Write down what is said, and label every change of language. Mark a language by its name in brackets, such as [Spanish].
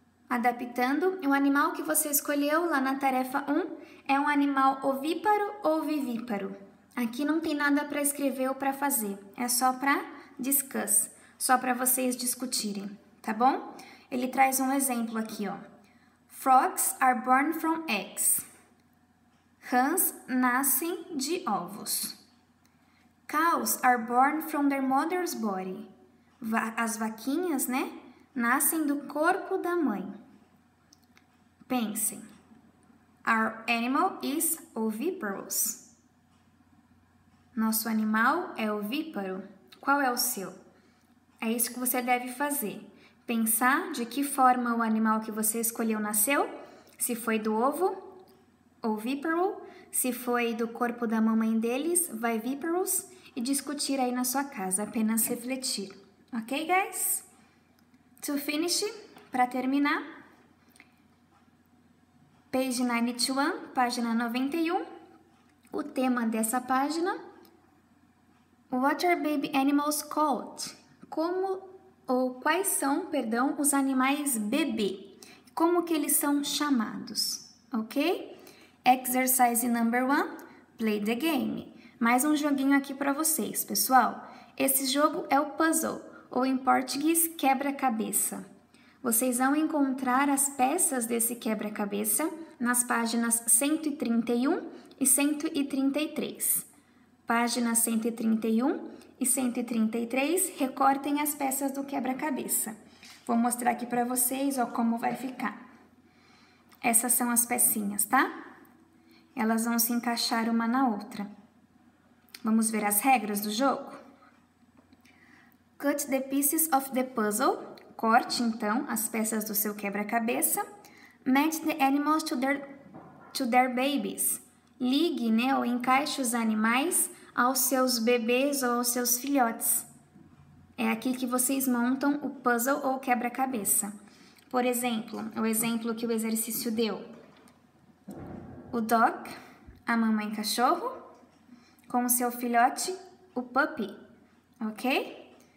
[Portuguese] Adaptando, o animal que você escolheu lá na tarefa 1 é um animal ovíparo ou vivíparo? Aqui não tem nada para escrever ou para fazer, é só para discuss, só para vocês discutirem, tá bom? Ele traz um exemplo aqui, ó. [English] Frogs are born from eggs. [Portuguese] Rãs nascem de ovos. [English] Cows are born from their mother's body. [Portuguese] As vaquinhas, né? Nascem do corpo da mãe. Pensem. [English] Our animal is oviparous. [Portuguese] Nosso animal é ovíparo. Qual é o seu? É isso que você deve fazer. Pensar de que forma o animal que você escolheu nasceu. Se foi do ovo, ovíparo. Se foi do corpo da mamãe deles, viviparous. E discutir aí na sua casa. Apenas refletir. [English] Ok, guys? To finish, [Portuguese] para terminar, [English] page 91, [Portuguese] página 91, o tema dessa página, [English] what are baby animals called? [Portuguese] Como, ou quais são, perdão, os animais bebê? Como que eles são chamados? Ok? [English] Exercise number 1, play the game. [Portuguese] Mais um joguinho aqui para vocês, pessoal. Esse jogo é o puzzle. Ou em português, quebra-cabeça. Vocês vão encontrar as peças desse quebra-cabeça nas páginas 131 e 133. Páginas 131 e 133, recortem as peças do quebra-cabeça. Vou mostrar aqui para vocês, ó, como vai ficar. Essas são as pecinhas, tá? Elas vão se encaixar uma na outra. Vamos ver as regras do jogo? [English] Cut the pieces of the puzzle. [Portuguese] Corte, então, as peças do seu quebra-cabeça. [English] Match the animals to their babies. [Portuguese] Ligue, né, ou encaixe os animais aos seus bebês ou aos seus filhotes. É aqui que vocês montam o puzzle ou quebra-cabeça. Por exemplo, o exemplo que o exercício deu. O dog, a mamãe cachorro, com o seu filhote, o puppy. Ok?